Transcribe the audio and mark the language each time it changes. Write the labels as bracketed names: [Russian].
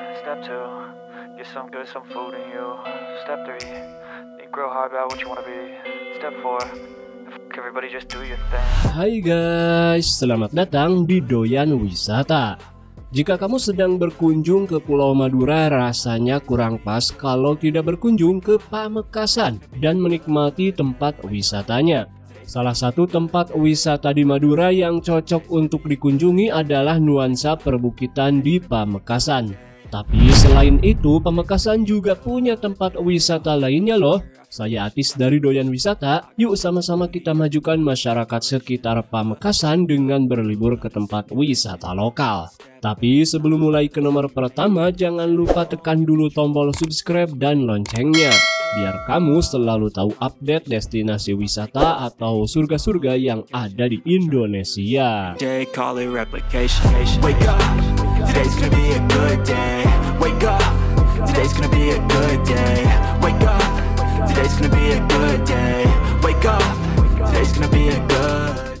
[English] Step two, get some good, some food in you. Step three, think real hard about what you wanna be. Step four, everybody just do your thing. [Indonesian] Hi guys, selamat datang di Doyan Wisata. Jika kamu sedang berkunjung ke Pulau Madura, rasanya kurang pas kalau tidak berkunjung ke Pamekasan dan menikmati tempat wisatanya. Salah satu tempat wisata di Madura yang cocok untuk dikunjungi adalah nuansa perbukitan di Pamekasan. Tapi selain itu, Pamekasan juga punya tempat wisata lainnya loh. Saya Atis dari Doyan Wisata, yuk sama-sama kita majukan masyarakat sekitar Pamekasan dengan berlibur ke tempat wisata lokal. Tapi sebelum mulai ke nomor pertama, jangan lupa tekan dulu tombol subscribe dan loncengnya, biar kamu selalu tahu update destinasi wisata atau surga-surga yang ada di Indonesia. [English] Day call it replication. Wake up, today's gonna be a good day. Wake up, today's gonna be a good day. Wake up, today's gonna be a good day. Wake up, today's gonna be a good.